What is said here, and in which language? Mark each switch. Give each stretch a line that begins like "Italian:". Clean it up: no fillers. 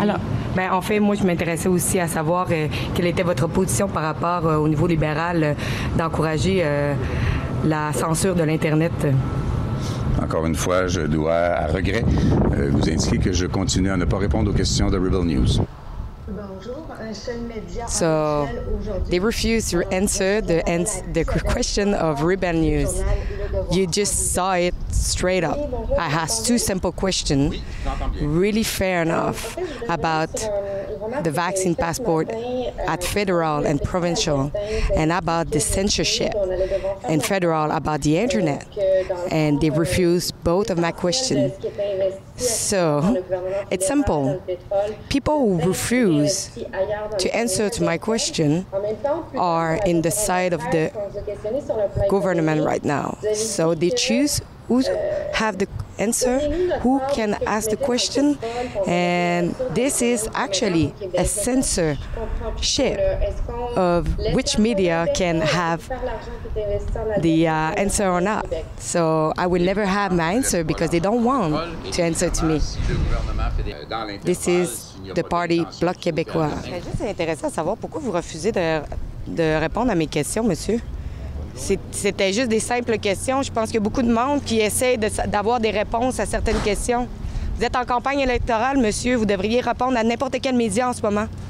French: Alors, ben, en fait, moi, je m'intéressais aussi à savoir quelle était votre position par rapport au niveau libéral d'encourager la censure de l'Internet. Encore une fois, je dois, à regret, vous indiquer que je continue à ne pas répondre aux questions de Rebel News.
English: So, they refuse to answer the question of Rebel News. You just saw it straight up. I asked two simple questions, really fair enough, about the vaccine passport at federal and provincial, and about the censorship in federal about the internet. And they refused both of my questions. So, it's simple. People who refuse to answer to my question are in the side of the government right now. So they choose who have the answer, who can ask the question, and this is actually a censorship of which media can have the answer or not. So I will never have my answer because they don't want to answer to me. This is the party Bloc Québécois.
French: C'est intéressant de savoir pourquoi vous refusez de répondre à mes questions, monsieur. C'était juste des simples questions. Je pense qu'il y a beaucoup de monde qui essaie d'avoir des réponses à certaines questions. Vous êtes en campagne électorale, monsieur. Vous devriez répondre à n'importe quel média en ce moment.